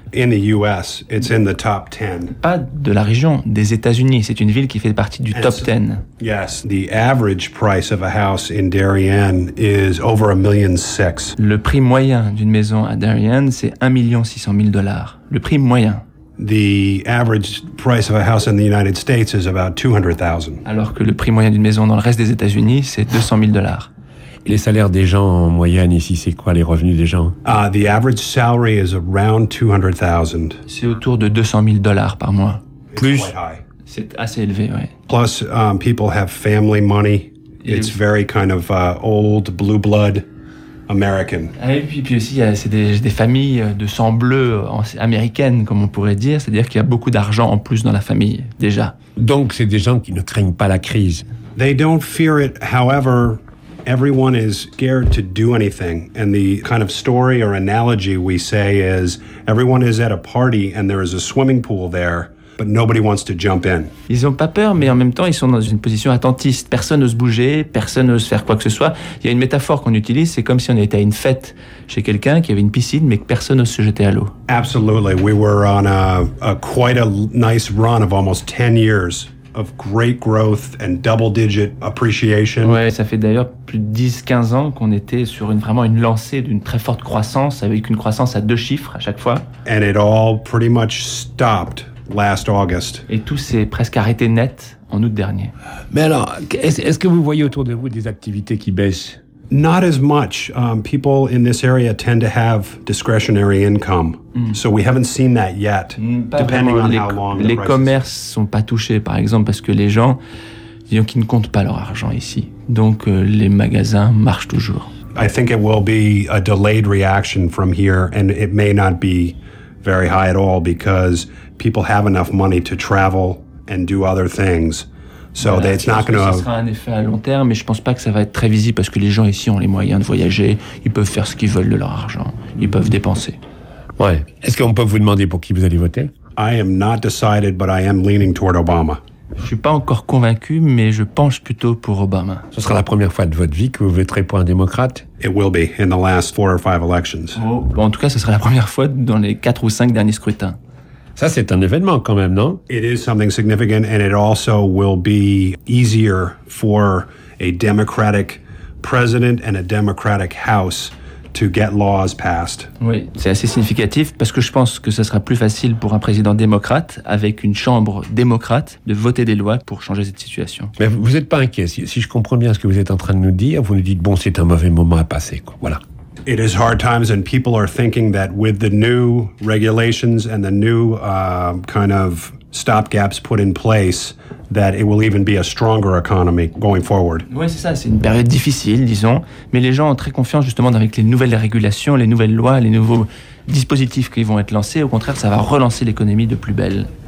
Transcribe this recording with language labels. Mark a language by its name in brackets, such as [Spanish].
[English] In the US, it's in the top 10. [French] Pas de la région, des États-Unis. C'est une ville qui fait partie du top 10. [English] Yes, the average price of a house in Darien is over $1.6 million. [French] Le prix moyen d'une maison à Darien, c'est $1,600,000. Le prix moyen. [English] The average price of a house in the United States is about $200,000. [French] Alors que le prix moyen d'une maison dans le reste des États-Unis, c'est $200,000. Les salaires des gens en moyenne ici, c'est quoi les revenus des gens? [English] The average salary is around 200,000. [French] C'est autour de 200,000 dollars par mois. Plus? C'est assez élevé, oui. [English] Plus, people have family money. It's very kind of old, blue blood American. [French] Et puis aussi, c'est des familles de sang bleu américaines, comme on pourrait dire. C'est-à-dire qu'il y a beaucoup d'argent en plus dans la famille, déjà. Donc, c'est des gens qui ne craignent pas la crise. [English] They don't fear it, however... Everyone is scared to do anything. And the kind of story or analogy we say is everyone is at a party and there is a swimming pool there, but nobody wants to jump in. [French] Ils ont pas peur, mais en même temps, ils sont dans une position attentiste. Personne n'ose bouger, personne n'ose faire quoi que ce soit. Il y a une métaphore qu'on utilise, c'est comme si on était à une fête chez quelqu'un qui avait une piscine, mais que personne n'ose se jeter à l'eau. [English] Absolutely. We were on a quite a nice run of almost 10 years. Of great growth and double-digit appreciation. [French] Ouais, ça fait d'ailleurs plus de 10-15 ans qu'on était sur vraiment une lancée d'une très forte croissance, avec une croissance à deux chiffres à chaque fois. [English] And it all pretty much stopped last August. [French] Et tout s'est presque arrêté net en août dernier. Mais alors, est-ce que vous voyez autour de vous des activités qui baissent? [English] Not as much. People in this area tend to have discretionary income. So we haven't seen that yet, depending on how long [French] les commerces sont pas touchés, par exemple, parce que les gens, disons qu'ils ne comptent pas leur argent ici. Donc les magasins marchent toujours. [English] I think it will be a delayed reaction from here, and it may not be very high at all, because people have enough money to travel and do other things. [French] Ce sera un effet à long terme, mais je ne pense pas que ça va être très visible parce que les gens ici ont les moyens de voyager, ils peuvent faire ce qu'ils veulent de leur argent, ils peuvent dépenser. Ouais. Est-ce qu'on peut vous demander pour qui vous allez voter? [English] I am not decided, but I am leaning toward Obama. [French] Je ne suis pas encore convaincu, mais je penche plutôt pour Obama. Ce sera la première fois de votre vie que vous voterez pour un démocrate? [English] It will be in the last four or five elections. Oh. [French] Bon, en tout cas, ce sera la première fois dans les 4 ou 5 derniers scrutins. Ça, c'est un événement quand même, non? [English] It is something significant, and it also will be easier for a Democratic president and a Democratic House to get laws passed. [French] Oui, c'est assez significatif parce que je pense que ça sera plus facile pour un président démocrate avec une chambre démocrate de voter des lois pour changer cette situation. Mais vous n'êtes pas inquiet. Si je comprends bien ce que vous êtes en train de nous dire, vous nous dites, bon, c'est un mauvais moment à passer, quoi. Voilà. [English] It is hard times, and people are thinking that with the new regulations and the new kind of stopgaps put in place, that it will even be a stronger economy going forward. [French] Oui, c'est ça. C'est une période difficile, disons. Mais les gens ont très confiance, justement, avec les nouvelles régulations, les nouvelles lois, les nouveaux dispositifs qui vont être lancés. Au contraire, ça va relancer l'économie de plus belle.